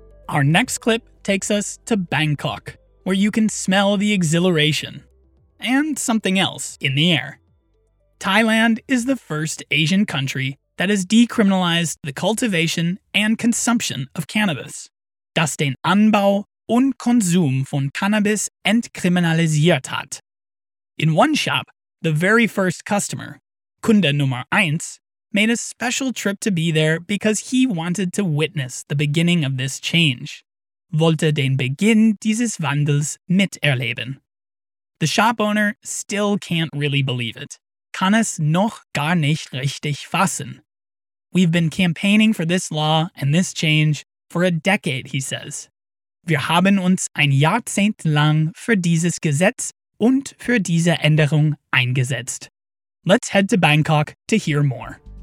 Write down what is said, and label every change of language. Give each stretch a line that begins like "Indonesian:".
English: Our next clip takes us to Bangkok, where you can smell the exhilaration and something else in the air. Thailand is the first Asian country that has decriminalized the cultivation and consumption of cannabis.
German: Das den Anbau und Konsum von Cannabis entkriminalisiert hat.
English: In one shop, the very first customer,
German: Kunde Nummer 1,
English: made a special trip to be there because he wanted to witness the beginning of this change.
German: Wollte den Beginn dieses Wandels miterleben.
English: The shop owner still can't really believe it.
German: Kann es noch gar nicht richtig fassen.
English: We've been campaigning for this law and this change for a decade, he says.
German: Wir haben uns ein Jahrzehnt lang für dieses Gesetz und für diese Änderung eingesetzt.
English: Let's head to Bangkok to hear more.